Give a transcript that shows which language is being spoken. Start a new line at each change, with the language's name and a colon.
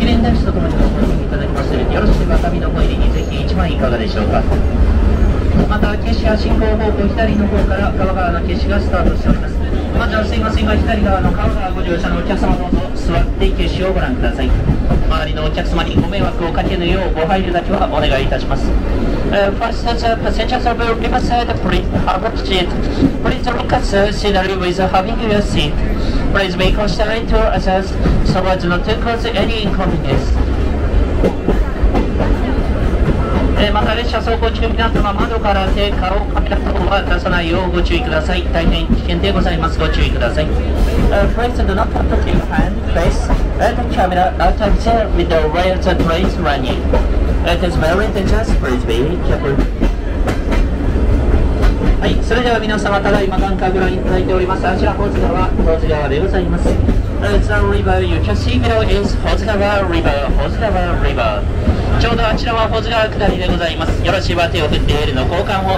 Japanese: 記念台紙とともにご購入いただきます。よろしければ旅のご入りにぜひ1枚いかがでしょうか。また、景色は進行方向左の方から川側の景色がスタートしております。まずはすいませんが、左側の川側ご乗車のお客様どうぞ座って景色をご覧ください。周りのお客様にご迷惑をかけぬようご配慮だけはお願いいたします。
English: First, the passengers of the river side, please have a seat. Please look at the scenery with having your seat. Please be considerate to others so as not to cause any inconvenience.
Japanese: また列車走行中皆様窓から手顔をカメラ等は出さないようご注意ください。大変危険でございます。ご注意ください。
English: Please do not put your hand, face, and camera out of the window while the train is running. It is very dangerous. Please be careful.
Japanese: はい、それでは皆様、ただいま眼下ご覧いただいております。あちら、保津川、保津川でございます。
English: The river you can see below is 保津川 River, 保津川 River。
Japanese: ちょうどあちらは保津川下りでございます。よろしいわ、手を振ってエールの交換を。